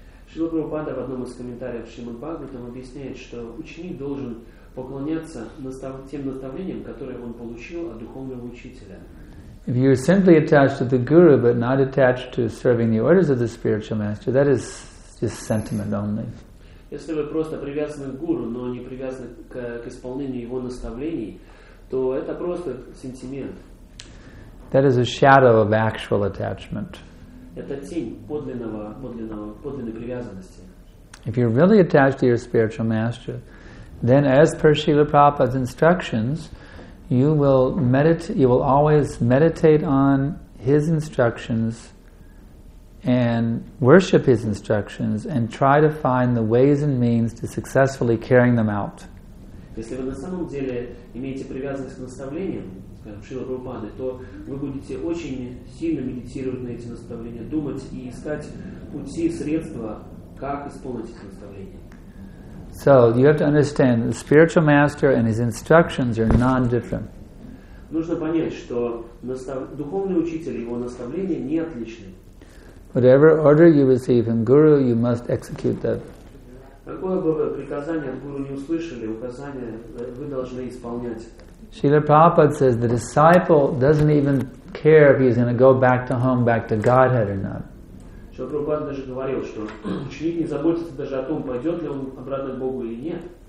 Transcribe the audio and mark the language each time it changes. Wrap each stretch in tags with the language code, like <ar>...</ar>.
<ru>Srila Prabhupada в одном из комментариев Srimad Bhagavatam объясняет, что ученик должен поклоняться тем наставлениям, которые он получил от духовного учителя.</ru> <en>If you are simply attached to the guru but not attached to serving the orders of the spiritual master, that is just sentiment only.</en> <ru>Если вы просто привязаны к гуру, но не привязаны к исполнению его наставлений, то это просто сентимент.</ru> <en>That is a shadow of actual attachment.</en> <ru>Это тень подлинной привязанности.</ru> <en>If you're really attached to your spiritual master, then as per Srila Prabhupada's instructions, you will always meditate on his instructions and worship his instructions and try to find the ways and means to successfully carrying them out.</en> <ru>Если вы на самом деле имеете привязанность к наставлениям, скажем, Шрила Прабхупады, то вы будете очень сильно медитировать на эти наставления, думать и искать пути, средства, как исполнить эти наставления.</ru> <en>So you have to understand the spiritual master and his instructions are non-different.</en> <ru>Нужно понять, что духовный учитель и его наставления не отличны.</ru> <en>Whatever order you receive from Guru, you must execute that.</en> <ru>Какое бы вы приказание от гуру не услышали, указание вы должны исполнять.</ru> <en>Srila Prabhupada says the disciple doesn't even care if he's going to go back to home, back to Godhead or not.</en> <ru>Srila Prabhupada даже говорил, что ученик не заботится даже о том, пойдет ли он обратно к Богу или нет.</ru>